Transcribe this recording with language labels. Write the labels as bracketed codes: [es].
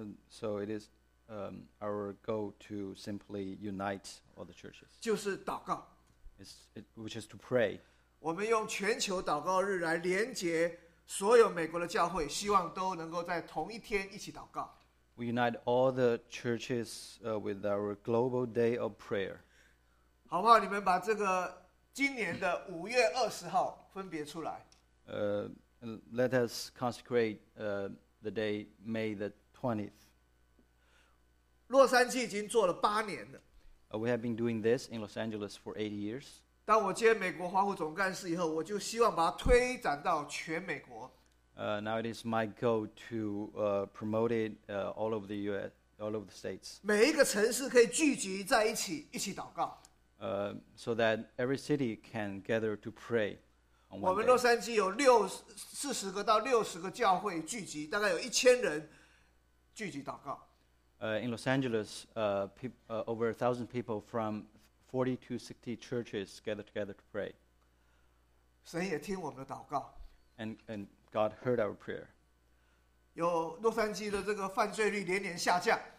[en] So it is our goal to simply unite all the churches. [zh] 就是祷告。 [en] Which is to pray. [zh] 我们用全球祷告日来连接所有美国的教会，希望都能够在同一天一起祷告。 [en] We unite all the churches with our global day of prayer. [zh] 好不好？你们把这个今年的五月二十号分别出来。 [en] Let us consecrate the day May the 20th. [zh] 洛杉矶已经做了八年了。 [en] We have been doing this in Los Angeles for 8 years. [zh] 当我接美国华府总干事以后，我就希望把它推展到全美国。 [en] Now it is my goal to promote it all over the U.S., all over the states. [zh] 每一个城市可以聚集在一起，一起祷告。 [en] So that every city can gather to pray. [zh] 我们洛杉矶有40-60个教会聚集，大概有1000人聚集祷告。 [en] In Los Angeles, over 1,000 people from 40-60 churches gather together to pray. [zh] 神也听我们的祷告。 [en] And God heard our prayer. [zh] 有洛杉矶的这个犯罪率连连下降。